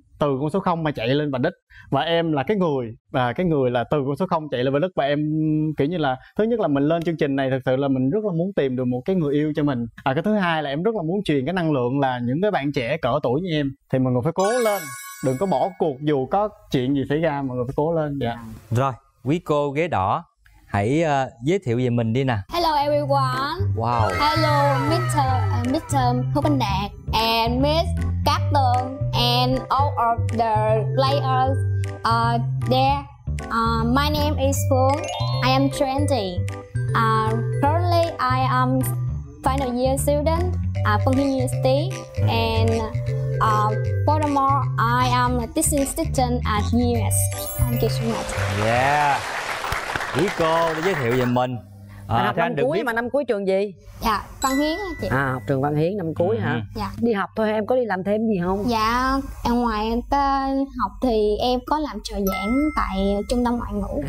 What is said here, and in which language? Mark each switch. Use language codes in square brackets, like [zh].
[vi] từ con số 0 mà chạy lên vành đích. Và em là cái người là từ con số 0 chạy lên vành đích. Và em kiểu như là, thứ nhất là mình lên chương trình này thực sự là mình rất là muốn tìm được một cái người yêu cho mình. À, cái thứ hai là em rất là muốn truyền cái năng lượng là những cái bạn trẻ cỡ tuổi như em thì mọi người phải cố lên, đừng có bỏ cuộc dù có chuyện gì xảy ra, mọi người phải cố lên. Dạ. Rồi, quý cô ghế đỏ, hãy giới thiệu về mình đi nè. [en] Hello everyone. Wow. Hello Mr. Phúc Anh Đạt and Miss Cát Tường and all of the players there. My name is Phúc. I am 20. Currently I am final year student at Phúc Hiên University. And furthermore, I am a teaching student at US. Thank you so much. Yeah. [vi] Quý cô để giới thiệu về mình. À, học năm cuối biết... mà năm cuối trường gì? Dạ, Văn Hiến hả chị? À, học trường Văn Hiến năm cuối hả? Dạ. Đi học thôi, em có đi làm thêm gì không? Dạ, em ngoài học thì em có làm trợ giảng tại trung tâm ngoại ngữ.